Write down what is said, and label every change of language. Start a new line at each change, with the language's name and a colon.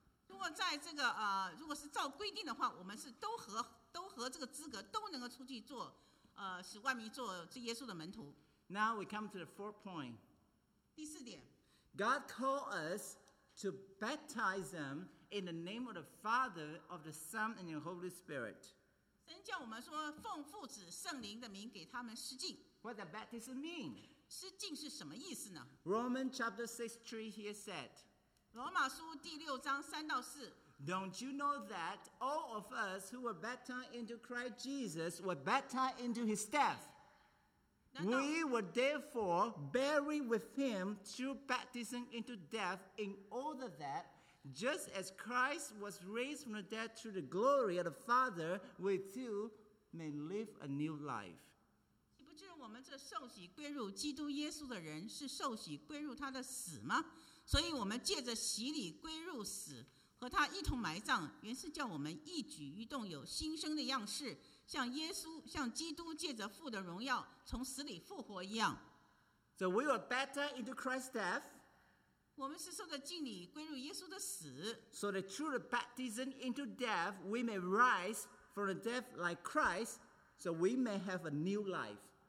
Chinese: 如果是照规定的话，我们是都合这个资格，都能够出去做使万民做耶稣的门徒。
English: Now we come to the fourth point.
Chinese: 第四点,
English: God called us to baptize them in the name of the Father, of the Son, and the Holy Spirit.
Chinese: 神叫我们说奉父子圣灵的名给他们施浸。
English: What does baptism mean?
Chinese: 施浸是什么意思呢？
English: Romans chapter 6:3 here said,
Chinese: 罗马书第六章3-4,
English: Don't you know that all of us who were baptized into Christ Jesus were baptized into his death? We were therefore buried with him through baptism into death, in order that, just as Christ was raised from the dead through the glory of the Father, we too may live a new life.
Chinese: 不知我们这受洗归入基督耶稣的人是受洗归入他的死吗？所以我们借着洗礼归入死，和他一同埋葬，原是叫我们一举一动有新生的样式， 像耶稣，像基督借着父的荣耀从死里复活一样。
English: So we were baptized into Christ's death.
Chinese: 我们是受的敬礼归入耶稣的死。
English: So that through the baptism into death, we may rise from the death like Christ, so we may have a new life.